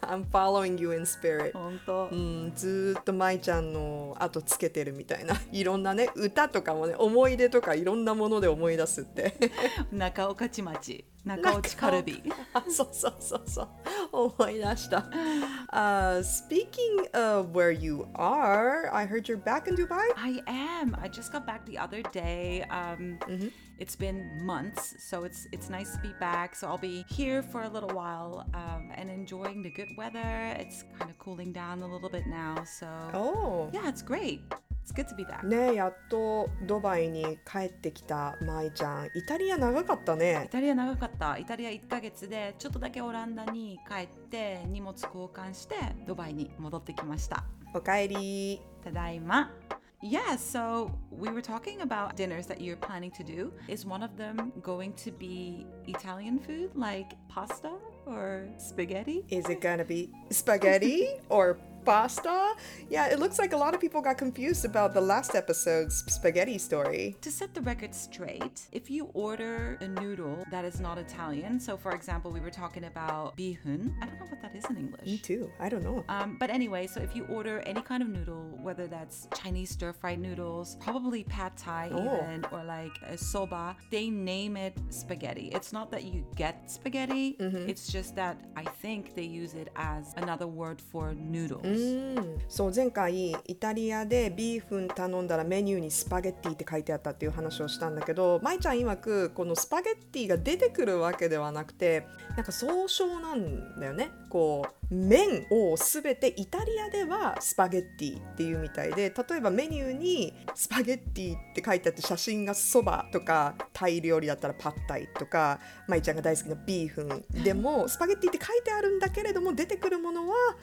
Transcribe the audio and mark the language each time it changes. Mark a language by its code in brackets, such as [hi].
[en] I'm following you in spirit. [ja] 本当、うん、ずっとマイちゃんの後つけてるみたいないろんなね、歌とかもね、思い出とかいろんなもので思い出すって中岡ちまち、中岡ちカルビそうそうそうそう、思い出した。 [en] Speaking of where you are, I heard you're back in Dubai? I am. I just got back the other day. It's been months, so it's nice to be back. So I'll be here for a little while and enjoying the good weather. It's kind of cooling down a little bit now. So, yeah, it's great. It's good to be back. [ja] ね、やっとドバイに帰ってきたマイちゃん。イタリア長かったね。イタリア長かった。イタリア1ヶ月で、ちょっとだけオランダに帰って、荷物交換してドバイに戻ってきました。おかえり。ただいま。 [en] Yeah, so we were talking about dinners that you're planning to do. Is one of them going to be Italian food, like pasta or spaghetti? Is it gonna be spaghetti or pasta? Yeah, it looks like a lot of people got confused about the last episode's spaghetti story. To set the record straight, if you order a noodle that is not Italian, so for example, we were talking about bihun. I don't know what that is in English. Me too. I don't know. But anyway, so if you order any kind of noodle, whether that's Chinese stir-fried noodles, probably pad thai even, or like a soba, they name it spaghetti. It's not that you get spaghetti. Mm-hmm. It's just that I think they use it as another word for noodle. [ja] そう、前回イタリアでビーフン頼んだらメニューにスパゲッティって書いてあったっていう話をしたんだけど、舞ちゃん曰くこのスパゲッティが出てくるわけではなくて、なんか総称なんだよね。こう麺をすべてイタリアではスパゲッティっていうみたいで、例えばメニューにスパゲッティって書いてあって写真がそばとかタイ料理だったらパッタイとか、舞ちゃんが大好きなビーフンでもスパゲッティって書いてあるんだけれども、出てくるものは